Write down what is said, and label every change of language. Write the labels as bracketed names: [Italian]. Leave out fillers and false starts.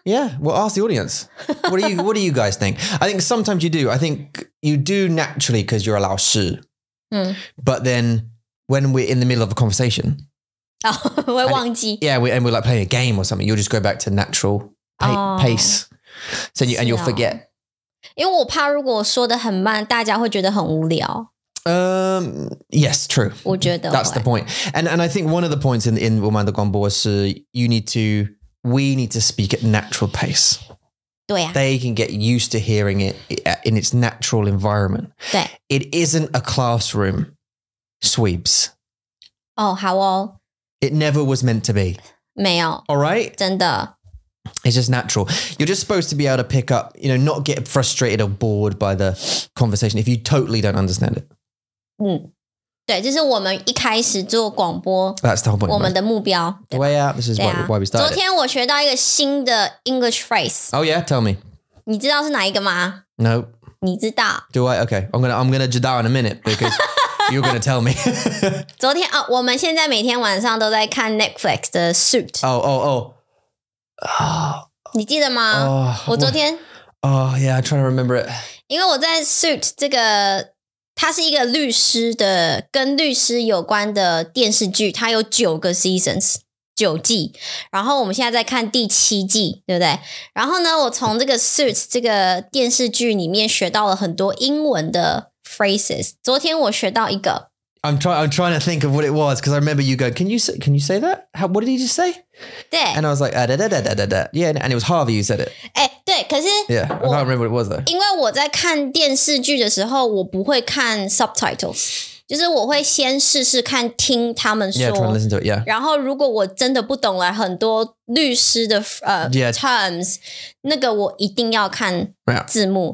[English] Yeah. Well, ask the audience. What do you guys think? I think sometimes you do. I think you do naturally because you're a [Chinese] 老师。嗯。 [English] But then when we're in the middle of a conversation, [Chinese] Oh, 我会忘记。 [English] Yeah, we're like playing a game or something. You'll just go back to natural pace. So and you'll forget. [Chinese] 因为我怕如果说得很慢，大家会觉得很无聊。 [English] Yes, true. [Chinese] 我觉得。 [English] That's the point. And I think one of the points in [Chinese] 我们的广播是 [English] we need to speak at natural pace. [Chinese] 对啊。 [English] They can get used to hearing it in its natural environment. [Chinese] 对。 [English] It isn't a classroom, Sweeps. [Chinese] Oh, 好哦。 [English] It never was meant to be. [Chinese] 没有。 [English] All right? [Chinese] 真的。 [English] It's just natural. You're just supposed to be able to pick up, you know, not get frustrated or bored by the conversation if you totally don't understand it. 嗯。 [Chinese] 对,这是我们一开始做广播。 [English] That's the whole point. [Chinese] 我们的目标。 [English] Way out, this is why we started. [Chinese] 昨天我学到一个新的 [English] English phrase. Oh yeah, tell me. [Chinese] 你知道是哪一个吗? [English] No. [Chinese] 你知道。 [English] Do I? Okay, I'm gonna [Chinese] 知道 [English] in a minute because... You're going to tell me. [Chinese] 昨天啊，我们现在每天晚上都在看 Netflix 的 Suit. [English] Oh. [Chinese] 你记得吗？Oh, 我昨天。 [English] Oh, yeah, I'm trying to remember it. [Chinese] 因为我在 Suit 这个，它是一个律师的，跟律师有关的电视剧，它有九个 seasons, 九季。然后我们现在在看第七季，对不对？然后呢，我从这个 Suit 这个电视剧里面学到了很多英文的phrases. 昨天我学到一个。 [English] I'm trying to think of what it was because I remember you go, can you say that? What did he just say? [Chinese] 对。 [English] And I was like, da, da, da, da, da, da. Yeah, and it was Harvey who said it. [Chinese] 欸,对,可是 [English] Yeah, I can't remember what it was though. [Chinese] 因为我在看电视剧的时候,我不会看 subtitles. 就是我会先试试看听他们说。 [English] Yeah, try and listen to it, yeah. [Chinese] 然后如果我真的不懂了很多律师的terms, 那个我一定要看字幕。